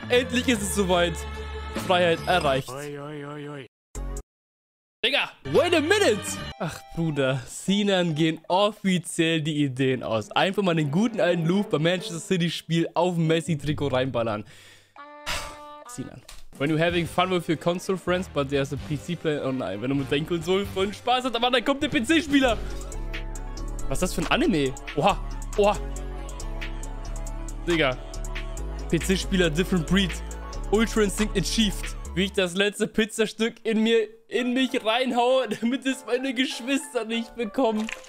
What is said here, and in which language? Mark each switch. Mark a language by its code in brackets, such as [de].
[de] Endlich ist es soweit. Freiheit erreicht. Oi, oi, oi, oi. [en] Digga, wait a minute. [de] Ach Bruder, Sinan gehen offiziell die Ideen aus. Einfach mal den guten alten Luv beim Manchester City Spiel auf Messi-Trikot reinballern. Sinan. [en] When you're having fun with your console friends, but there's a PC player. [de] Oh nein, wenn du mit deinen Konsolen voll Spaß hast, aber dann kommt der PC-Spieler. Was ist das für ein Anime? Oha, oha. Digga, PC-Spieler [en] Different Breed, Ultra Instinct Achieved. [de] Wie ich das letzte Pizzastück in mich reinhaue, damit es meine Geschwister nicht bekommen.